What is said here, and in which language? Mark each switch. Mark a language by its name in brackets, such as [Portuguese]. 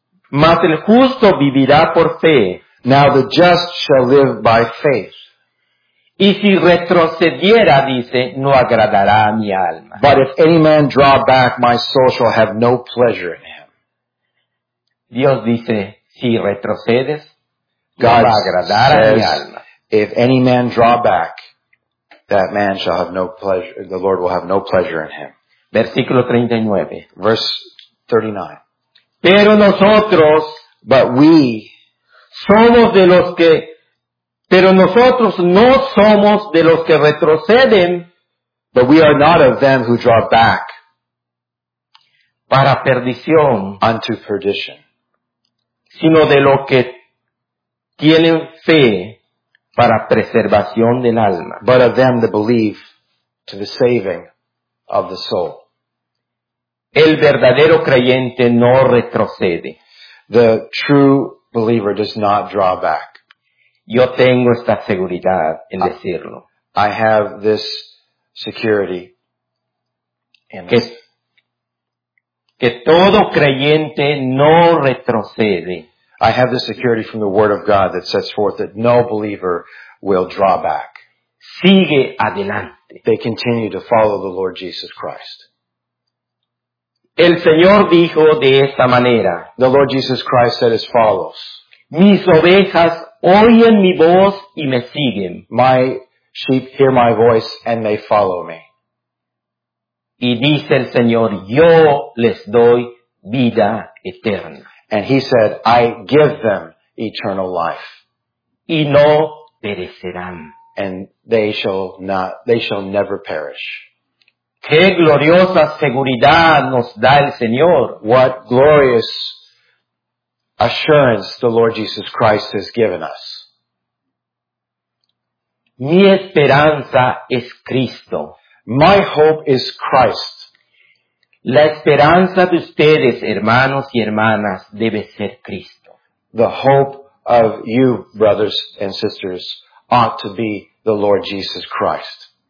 [Spanish] Mas el justo vivirá por fe. [English] Now the just shall live by faith. [Spanish] Y si retrocediera, dice, no agradará a mi alma. [English] But if any man draw back, my soul shall have no pleasure in him. [Spanish] Dios dice, si retrocedes, no va a agradar a mi alma. [English] If any man draw back, that man shall have no pleasure, the Lord will have no pleasure in him. [Spanish] Versículo 39. [English] Verse 39. [Spanish] Pero nosotros, [English] but we, [Spanish] somos de los que, pero nosotros no somos de los que retroceden, [English] but we are not of them who draw back, [Spanish] para perdición, [English] unto perdition, [Spanish] sino de los que tienen fe, para preservación del alma. [English] But of them that believe to the saving of the soul. [Spanish] El verdadero creyente no retrocede. [English] The true believer does not draw back. [Spanish] Yo tengo esta seguridad en decirlo. [English] I have this security. [Spanish] Que todo creyente no retrocede. [English] I have the security from the Word of God that sets forth that no believer will draw back. [Spanish] Sigue adelante. [English] They continue to follow the Lord Jesus Christ. [Spanish] El Señor dijo de esta manera. [English] The Lord Jesus Christ said as follows. [Spanish] Mis ovejas oyen mi voz y me siguen. [English] My sheep hear my voice and they follow me. [Spanish] Y dice el Señor, yo les doy vida eterna. [English] And he said, I give them eternal life. [Spanish] Y no perecerán. [English] And they shall never perish. [Spanish] Qué gloriosa seguridad nos da el Señor. [English] What glorious assurance the Lord Jesus Christ has given us. [Spanish] Mi esperanza es Cristo. [English] My hope is Christ. [Spanish] La esperanza de ustedes, hermanos y hermanas, debe ser Cristo. [English] The hope of you, brothers and sisters, ought to be the Lord Jesus Christ.